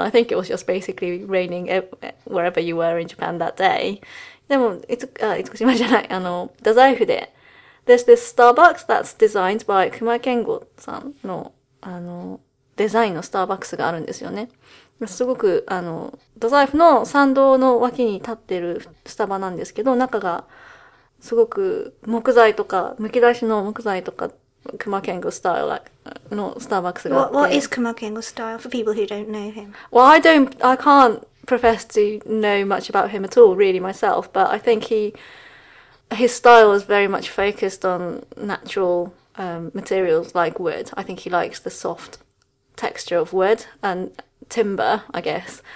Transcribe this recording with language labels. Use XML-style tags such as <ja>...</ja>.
<en>I think it was just basically raining wherever you were in Japan that day.</en> <ja>でも、厳島じゃない、太宰府で。</ja> <en>There's this Starbucks that's designed by</en> <ja>熊健吾さんの、デザインのスターバックスがあるんですよね。すごく、ドザイフの参道の脇に立ってるスタバなんですけど、中が、すごく木材とか、剥き出しの木材とか、クマケンゴスタイルのスターバックスがあって。</ja> <en>What is Kumakengo style for people who don't know him? Well, I can't profess to know much about him at all, really myself, but I think his style is very much focused on natural, materials like wood. I think he likes the soft texture of wood and timber, I guess.</en>